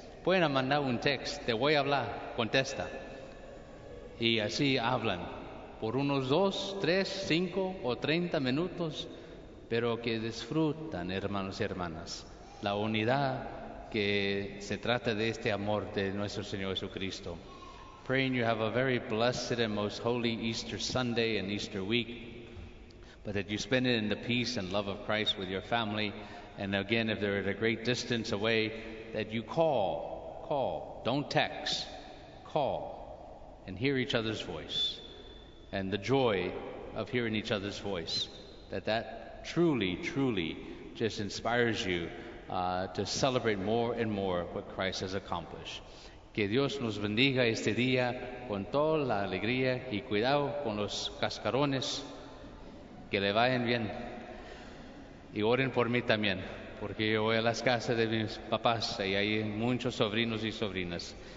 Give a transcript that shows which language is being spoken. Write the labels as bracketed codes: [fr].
[es] Pueden mandar un text, te voy a hablar, contesta. Y así hablan por unos 2, 3, 5 o 30 minutos, pero que disfrutan, hermanos y hermanas, la unidad que se trata de este amor de nuestro Señor Jesucristo. [en] Praying you have a very blessed and most holy Easter Sunday and Easter week, but that you spend it in the peace and love of Christ with your family. And again, if they're at a great distance away, that you call, don't text, call, and hear each other's voice. And the joy of hearing each other's voice, that truly, truly just inspires you to celebrate more and more what Christ has accomplished. [es] Que Dios nos bendiga este día con toda la alegría y cuidado con los cascarones. Que le vayan bien. Y oren por mí también, porque yo voy a las casas de mis papás y hay muchos sobrinos y sobrinas.